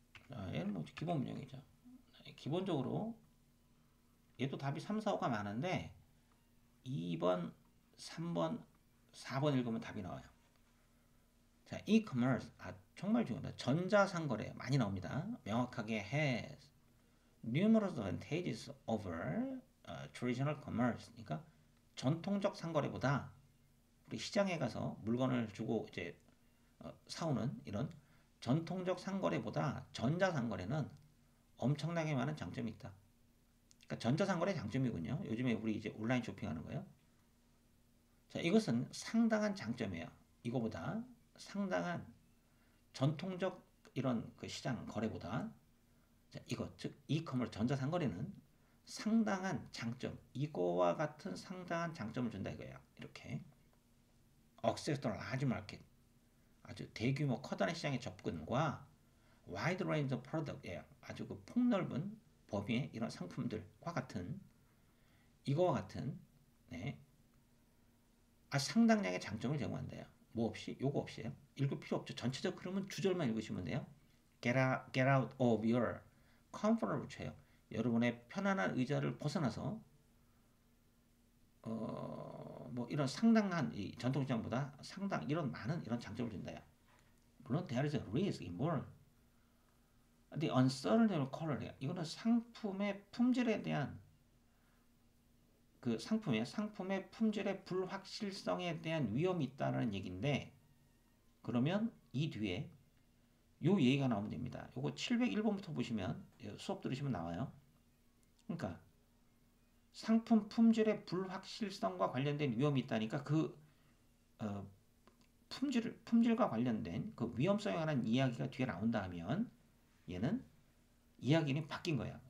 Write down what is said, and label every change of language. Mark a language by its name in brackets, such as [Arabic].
[Korean] 얘는 뭐 기본 문형이죠. 기본적으로 얘도 답이 3, 4, 5가 많은데 2번, 3번, 4번 읽으면 답이 나와요. 자, e-commerce. 아, 정말 중요합니다. 전자상거래 많이 나옵니다. 명확하게 [English] has numerous advantages over traditional commerce. [Korean] 그러니까 전통적 상거래보다 우리 시장에 가서 물건을 주고 이제 사오는 이런 전통적 상거래보다 전자상거래는 엄청나게 많은 장점이 있다. 그러니까 전자상거래의 장점이군요. 요즘에 우리 이제 온라인 쇼핑하는 거예요. 자, 이것은 상당한 장점이에요. 이거보다 상당한 전통적 이런 그 시장 거래보다, 자, 이거 즉 이커머스 전자상거래는 상당한 장점, 이거와 같은 상당한 장점을 준다 이거예요. 이렇게 [English] Access to large market, [Korean] 아주 대규모 커다란 시장의 접근과 [English] Wide range of product, [Korean] 예, 아주 그 폭넓은 범위의 이런 상품들과 같은, 이거와 같은, 네, 아 상당량의 장점을 제공한대요. 뭐 없이, 요거 없이요. 읽을 필요 없죠. 전체적 흐름은 주절만 읽으시면 돼요. [English] Get out of your comfort [Korean] 붙여요. 여러분의 편안한 의자를 벗어나서, 뭐 이런 상당한 이 전통시장보다 상당 이런 많은 이런 장점을 준다요. 물론 [English] there is a risk involved. The uncertainty of quality. [Korean] 이거는 상품의 품질에 대한, 그 상품의 품질의 불확실성에 대한 위험이 있다는 얘기인데, 그러면 이 뒤에 요 얘기가 나오면 됩니다. 요거 701번부터 보시면, 수업 들으시면 나와요. 그러니까 상품 품질의 불확실성과 관련된 위험이 있다니까 그 품질과 관련된 그 위험성에 관한 이야기가 뒤에 나온다면 얘는 이야기는 바뀐 거야.